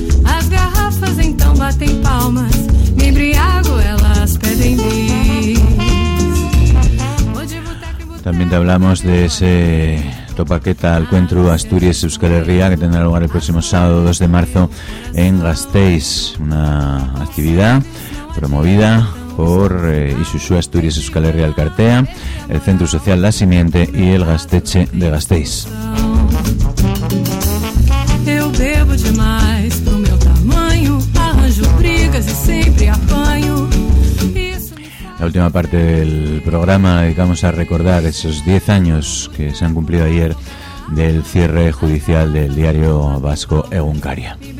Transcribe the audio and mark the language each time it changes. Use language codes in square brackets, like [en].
[pt] As garrafas então batem palmas, me embriago, elas pedem bis. [es] Também te hablamos de ese Topaqueta Alcuentru Asturias Euskal Herria, que tendrá lugar el próximo sábado 2 de marzo en Gasteiz, una actividad promovida por Isusu Asturias Euskal Herria Elkartea, el Centro Social La Simiente y el Gasteche de Gasteiz. [pt] Eu bebo demais pro meu tamanho, arranjo brigas e sempre apanho. [es] La última parte del programa dedicamos a recordar esos 10 años que se han cumplido ayer del cierre judicial del diario vasco Egunkaria.